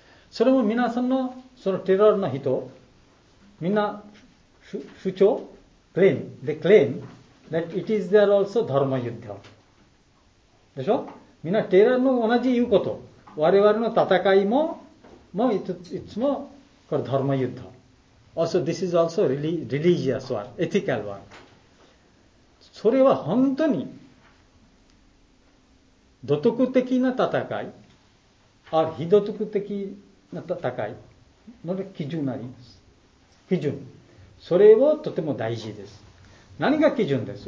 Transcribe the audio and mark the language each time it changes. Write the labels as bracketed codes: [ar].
[ja] それも皆さんの、そのテーラーの人、みんな主張、 [en] claim、they claim that it is there also dharma yuddha。 [ja] でしょ？みんなテーラーの同じ言うこと。我々の戦いも、もういつも、これ dharma yuddha。 [en] Also, this is also religious war, ethical war. [ja] それは本当に道徳的な戦い、あるいは非道徳的な戦いの基準になります。基準。それはとても大事です。何が基準です？